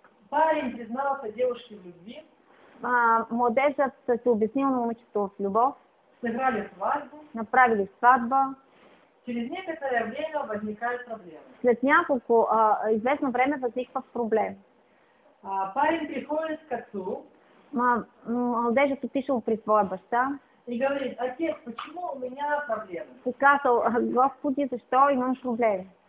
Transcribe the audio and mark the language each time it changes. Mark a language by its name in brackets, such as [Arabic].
[Russian] Парень признался девушке в любви. [Bulgarian] Младежът се обяснил на момичето в любов. [Russian] Сыграли свадьбу. [Bulgarian] Направили свадьба. [Russian] Через некоторое время возникает проблема. [Bulgarian] След няколко известно време възниква проблем. [Russian] Парень приходит к отцу. [Bulgarian] Младежът отишъл при своя баща. [Russian] И говорит, отец, почему у меня проблемы? [Bulgarian] И казал, Господи, защо имам проблеми?